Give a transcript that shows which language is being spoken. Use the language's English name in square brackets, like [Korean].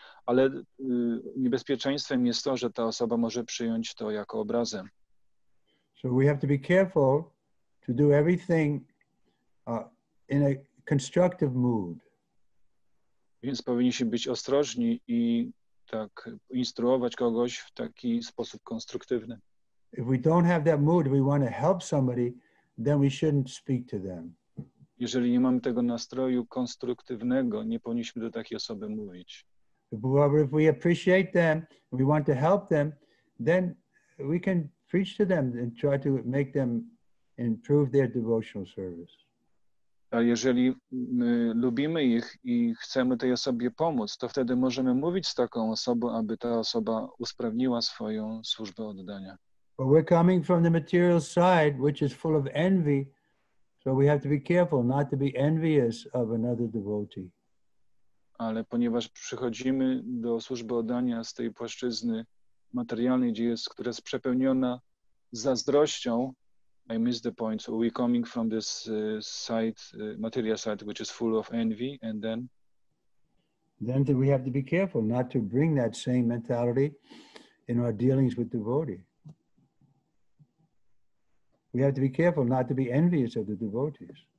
[Polish] Ale niebezpieczeństwem jest to, że ta osoba może przyjąć to jako obrazę. [English] So we have to be careful to do everything in a constructive mood. [Polish] Więc powinniśmy być ostrożni i tak instruować kogoś w taki sposób konstruktywny. [English] If we don't have that mood, we want to help somebody, then we shouldn't speak to them. [Polish] Jeżeli nie mamy tego nastroju konstruktywnego, nie powinniśmy do takiej osoby mówić. [English] However, if we appreciate them, we want to help them, then we can preach to them and try to make them improve their devotional service. [Polish] A jeżeli my lubimy ich i chcemy tej osobie pomóc, to wtedy możemy mówić z taką osobą, aby ta osoba usprawniła swoją służbę oddania. [English] But we're coming from the material side, which is full of envy, so we have to be careful not to be envious of another devotee. [Polish] Ale ponieważ przychodzimy do służby oddania z tej płaszczyzny materialnej, gdzie jest, która jest przepełniona zazdrością, [English] I miss the point. So we're coming from this material side, which is full of envy, and then? Then we have to be careful not to bring that same mentality in our dealings with devotee. We have to be careful not to be envious of the devotees.